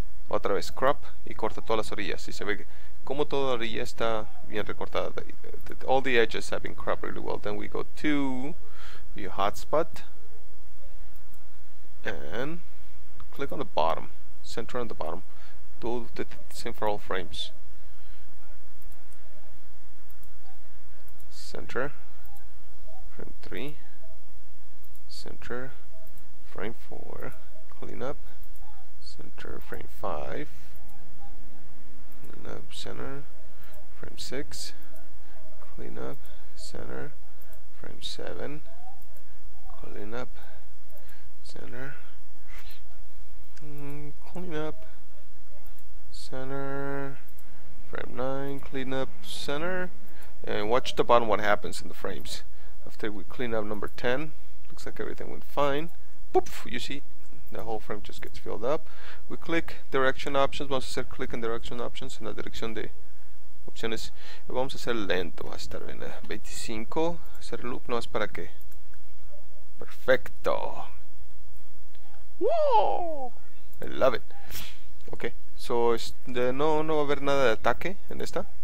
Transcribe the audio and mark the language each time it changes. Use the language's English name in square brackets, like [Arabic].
[Spanish] Otra vez crop y corta todas las orillas. Y se ve como toda la orilla está bien recortada. [English] All the edges have been cropped really well. Then we go to view hotspot and click on the bottom, center on the bottom. Do the same for all frames. Center, frame 3, center, frame 4, clean up, center, frame 5, clean up, center, frame 6, clean up, center, frame 7, clean up, center, clean up, center, frame 9, clean up, center. And watch the bottom, what happens in the frames. After we clean up number 10, looks like everything went fine. Poof, you see, the whole frame just gets filled up. We click direction options. [Spanish] Vamos a hacer click en direction options, en la dirección de opciones. Vamos a hacer lento, va a estar en 25. Hacer loop, no es para qué. Perfecto. Whoa! [English] I love it. [Spanish] Okay, so no va a haber nada de ataque en esta.